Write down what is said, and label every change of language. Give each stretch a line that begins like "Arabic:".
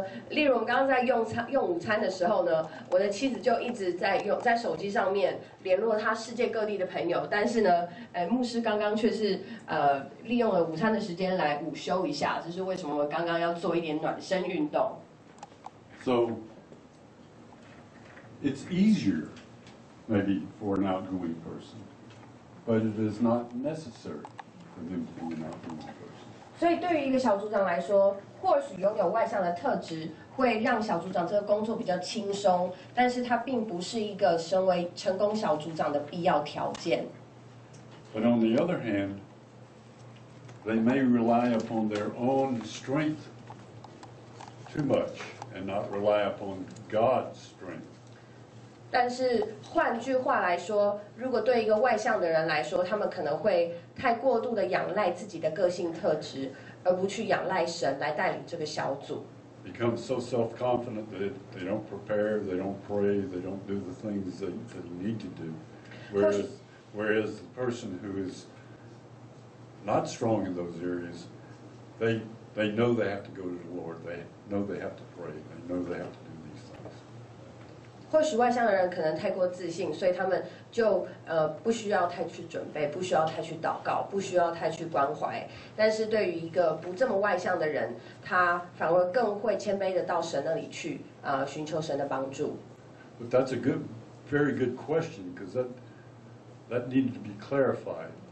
Chinese: 例如我们刚刚在用午餐的时候呢，我的妻子就一直在手机上面联络她世界各地的朋友，但是呢，牧师刚刚却是利用了午餐的时间来午休一下，这是为什么我刚刚要做一点暖身运动。
English: So it's easier maybe for an outgoing person, but it is not necessary for them to be an outgoing person.
Chinese: 所以对于一个小组长来说，或许拥有外向的特质会让小组长这个工作比较轻松，但是它并不是一个身为成功小组长的必要条件。
English: But on the other hand, they may rely upon their own strength too much and not rely upon God's strength.
Chinese: 但是换句话来说，如果对一个外向的人来说，他们可能会太过度的仰赖自己的个性特质，而不去仰赖神来带领这个小组。
English: Become so self-confident that they don't prepare, they don't pray, they don't do the things that they need to do. Whereas the person who is not strong in those areas, they know they have to go to the Lord, they know they have to pray, they know they have to do.
Chinese: 或许外向的人可能太过自信，所以他们就不需要太去准备，不需要太去祷告，不需要太去关怀。但是对于一个不这么外向的人，他反而更会谦卑的到神那里去，寻求神的帮助。
English: But that's a good, very good question, because that needed to be clarified.